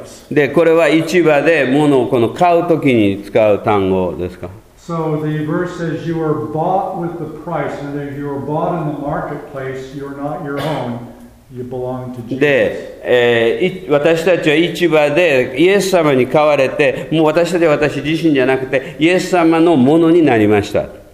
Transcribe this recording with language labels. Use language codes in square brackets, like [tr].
[ja] でこれは市場で物をこの買うときに使う単語ですか。 [en] So the verse says you are bought with the price, and if you are bought in the marketplace, you are not your own. [ja] で、私たちは市場でイエス様に買われて、もう私たちは私自身じゃなくてイエス様のものになりました。